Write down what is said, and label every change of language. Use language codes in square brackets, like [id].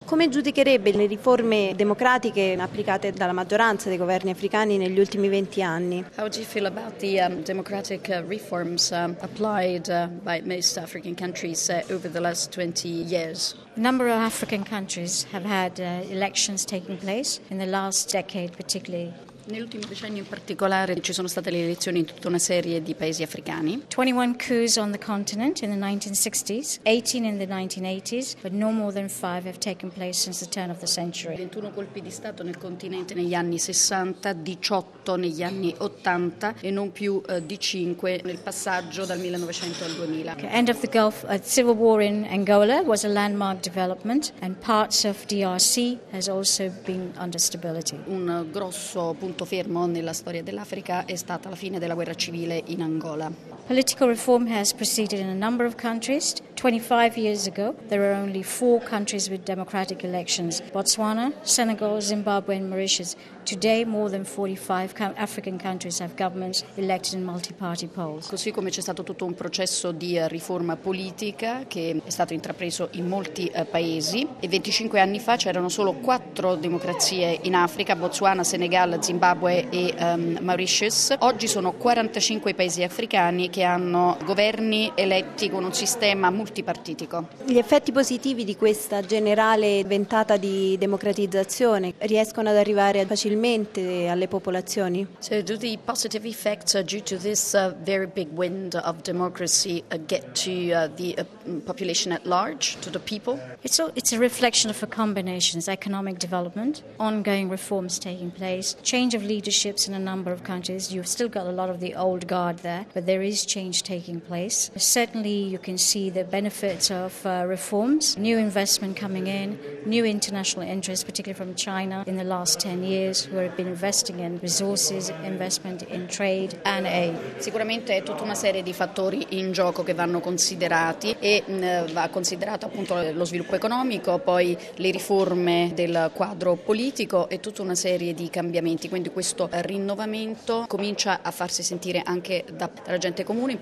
[it] Come giudicherebbe le riforme democratiche applicate dalla maggioranza dei governi africani negli ultimi 20 anni? [en] How do you feel about the democratic reforms applied by most African countries over the last 20 years? A number of African countries have had elections taking place in the last decade particularly. [it] Nell'ultimo decennio in particolare ci sono state le elezioni in tutta una serie di paesi africani. [en] 21 coups on the continent in the 1960s, 18 in the 1980s, but no more than 5 have taken place since the turn of the century. [it] 21 colpi di stato nel continente negli anni 60, 18 negli anni 80 e non più di 5 nel passaggio dal 1900 al 2000. [en] Okay, end of the Gulf civil war in Angola was a landmark development and parts of DRC has also been under stability. [it] Un grosso punto fermo nella storia dell'Africa è stata la fine della guerra civile in Angola. [en] Political reform has proceeded in a number of countries. 25 years ago, there were only 4 countries with democratic elections: Botswana, Senegal, Zimbabwe and Mauritius. Today, more than 45 African countries have governments elected in multi-party polls. [it] Così come c'è stato tutto un processo di riforma politica che è stato intrapreso in molti paesi. E 25 anni fa c'erano solo 4 democrazie in Africa: Botswana, Senegal, Zimbabwe e Mauritius. Oggi sono 45 paesi africani che hanno governi eletti con un sistema multipartitico. Gli effetti positivi di questa generale ventata di democratizzazione riescono ad arrivare facilmente alle popolazioni? [en] So do the positive effects due to this very big wind of democracy get to the population at large, to the people? It's a reflection of a combination: economic development, ongoing reforms taking place, change of leaderships in a number of countries. You've still got a lot of the old guard there, but there is change taking place. Certainly you can see the benefits of reforms, new investment coming in, new international interest, particularly from China in the last 10 years, who have been investing in resources, investment in trade and aid. [it] Sicuramente è tutta una serie di fattori in gioco che vanno considerati e va considerato appunto lo sviluppo economico, poi le riforme del quadro politico e tutta una serie di cambiamenti. Quindi questo rinnovamento comincia a farsi sentire anche dalla gente comune.